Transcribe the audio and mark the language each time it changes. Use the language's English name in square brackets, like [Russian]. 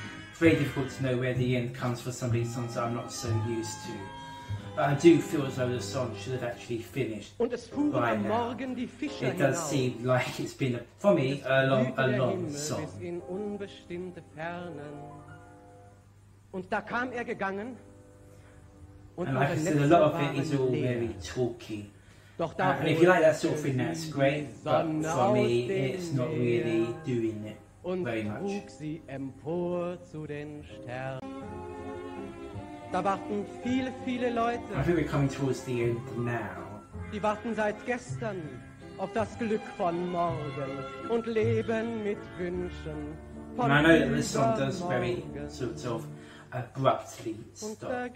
[English] It's very difficult to know where the end comes for some of these songs that I'm not so used to. But I do feel as though the song should have actually finished by now. It does seem like it's been, for me, a long song. [German] Bis in unbestimmte Fernen. Und da kam gegangen. [English] And like I said, a lot of it is all very talky. And if you like that sort of thing, that's great, but for me, it's not really doing it very much. [German] Sie empor zu den Sternen. Da warten viele, viele Leute. [English] I think we're coming towards the end now. [German] Die warten seit gestern auf das Glück von morgen und leben mit Wünschen von übermorgen. [English] And I know that this song does very sort of abruptly stop.